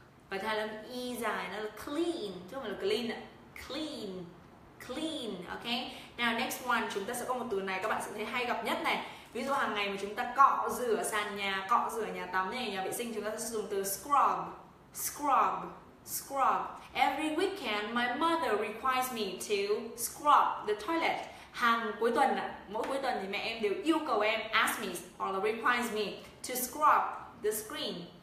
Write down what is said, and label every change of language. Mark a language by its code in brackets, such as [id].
[vi] Và thứ hai là âm y dài. Nó là clean. Chứ không phải là clean ạ. [en] Clean. Clean. Ok. Now next one. [vi] Chúng ta sẽ có một từ này các bạn sẽ thấy hay gặp nhất này. Ví dụ hàng ngày mà chúng ta cọ rửa sàn nhà, cọ rửa nhà tắm này, nhà vệ sinh, chúng ta sẽ dùng từ scrub. [en] Scrub. Scrub. Every weekend, my mother requires me to scrub the toilet. [vi] Hàng cuối tuần, mỗi cuối tuần thì mẹ em đều yêu cầu em, [en] ask me or requires me to scrub the screen.